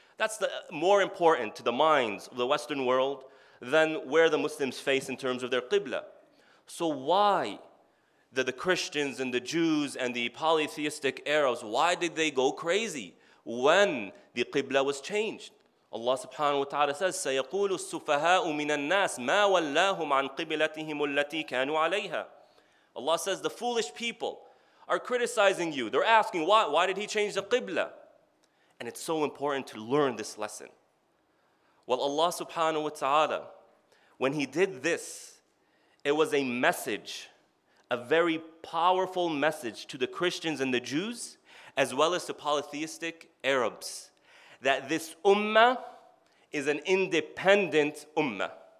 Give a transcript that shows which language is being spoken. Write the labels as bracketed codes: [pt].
[en] That's the more important to the minds of the Western world than where the Muslims face in terms of their Qibla. So why did the Christians and the Jews and the polytheistic Arabs, why did they go crazy when the Qibla was changed? Allah subhanahu wa ta'ala says, [ar] سَيَقُولُ السُّفَهَاءُ مِنَ النَّاسِ مَا وَلَّاهُمْ عَنْ قِبْلَتِهِمُ الَّتِي كَانُوا عَلَيْهَا. [en] Allah says, the foolish people are criticizing you. They're asking, why did he change the Qibla? And it's so important to learn this lesson. Well, Allah subhanahu wa ta'ala, when he did this, it was a message, a very powerful message to the Christians and the Jews, as well as to polytheistic Arabs, that this ummah is an independent ummah.